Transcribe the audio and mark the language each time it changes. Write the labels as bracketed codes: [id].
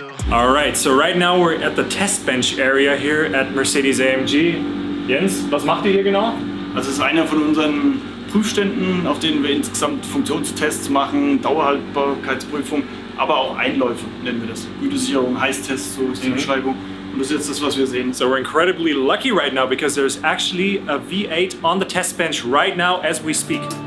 [en] Alright, so right now we're at the test bench area here at Mercedes AMG. [de] Jens, was macht ihr hier genau? Also es ist einer von unseren Prüfständen, auf denen wir insgesamt Funktionstests machen, Dauerhaltbarkeitsprüfung, aber auch Einläufe nennen wir das. Gütesicherung, Heißtest, so ist die Beschreibung. Und das ist jetzt das, was wir sehen. [en] So we're incredibly lucky right now, because there's actually a V8 on the test bench right now as we speak.